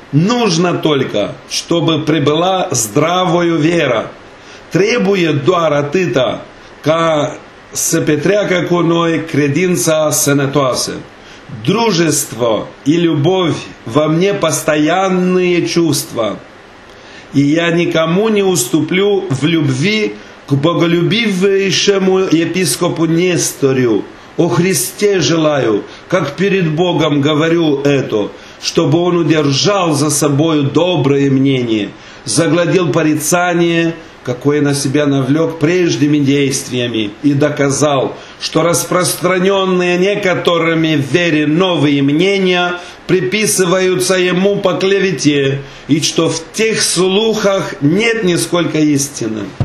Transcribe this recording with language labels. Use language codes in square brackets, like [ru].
[ru] Нужно только, чтобы прибыла здравою вера. [ro] Trebuie doar atâta ca să petreacă cu noi credința sănătoasă. [ru] Дружество и любовь во мне постоянные чувства. И я никому не уступлю в любви к боголюбивейшему епископу Несторию. О Христе желаю, как перед Богом говорю это, чтобы он удержал за собою доброе мнение, загладил порицание, какое на себя навлек прежними действиями и доказал, что распространенные некоторыми в вере новые мнения приписываются ему по клевете, и что в тех слухах нет нисколько истины.